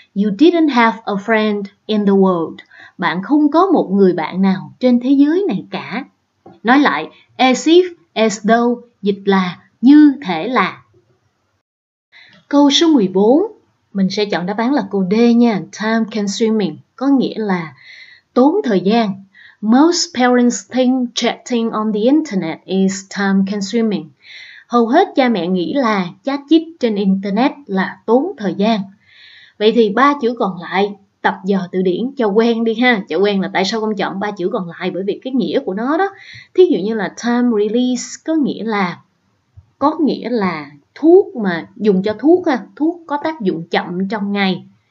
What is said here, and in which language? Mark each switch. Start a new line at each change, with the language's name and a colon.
English: You didn't have a friend in the world,
Vietnamese: bạn không có một người bạn nào trên thế giới này cả. Nói lại,
English: as if, as though,
Vietnamese: dịch là như thể là. Câu số 14, mình sẽ chọn đáp án là câu D nha. Time consuming, có nghĩa là tốn thời gian.
English: Most parents think chatting on the internet is time consuming.
Vietnamese: Hầu hết cha mẹ nghĩ là chat chít trên internet là tốn thời gian. Vậy thì ba chữ còn lại, tập dò từ điển cho quen đi ha. Cho quen là tại sao không chọn ba chữ còn lại, bởi vì cái nghĩa của nó đó. Thí dụ như là time release có nghĩa là thuốc mà dùng cho thuốc ha, thuốc có tác dụng chậm trong ngày.